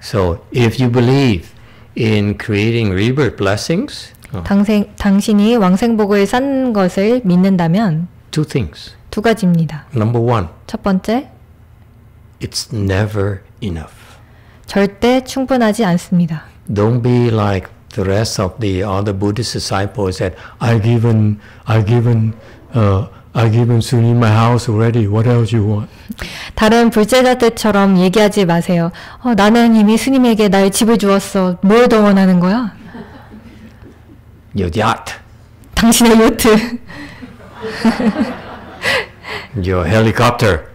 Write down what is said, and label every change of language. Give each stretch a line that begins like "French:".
English: So if you believe in creating rebirth blessings,
Korean: 당신이 왕생복을 쌓는 것을 믿는다면
English: two things.
Korean: 두 가지입니다.
English: Number one.
Korean: 첫 번째.
English: It's never enough.
Korean: 절대 충분하지 않습니다.
English: Don't be like the rest of the other Buddhist disciples that I've given Sunil my house already. What else you want?
Korean: 다른 불제자들처럼 얘기하지 마세요. 나는 이미 스님에게 나의 집을 주었어. 뭘 더 원하는 거야?
English: Your yacht.
Korean: 당신의 요트.
English: Your helicopter.